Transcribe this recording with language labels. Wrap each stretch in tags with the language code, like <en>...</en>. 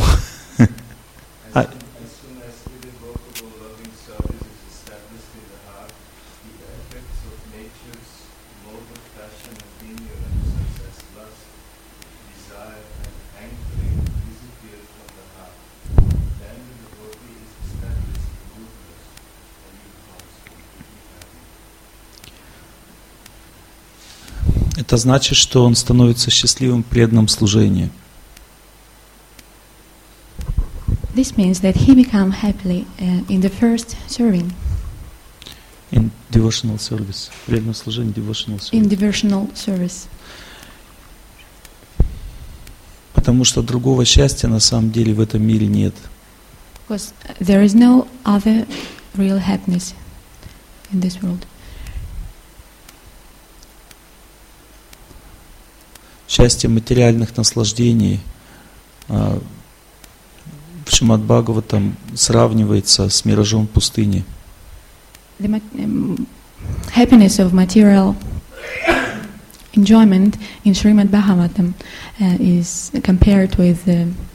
<en>As soon as the devotable loving service is established in the heart, the effects of nature's mode of passion and ignorance, such as lust, desire, and anchoring, disappear from the heart. Then the devotee is established in goodness, and he becomes happy.</en> <ru>Это значит, что он становится счастливым преданным служением.</ru> <en>This means that he become happily in the first serving. In devotional service.</en> <ru>Преданное служение,</ru> <en>devotional service. In devotional service.</en> <ru>Потому что другого счастья на самом деле в этом мире нет.</ru> <en>Because there is no other real happiness in this world.</en> <ru>Счастье материальных наслаждений в Шримад Бхагаватам сравнивается с миражом пустыни.</ru> <en>The happiness of material enjoyment in Shrimad Bhagavatam is compared with the</en>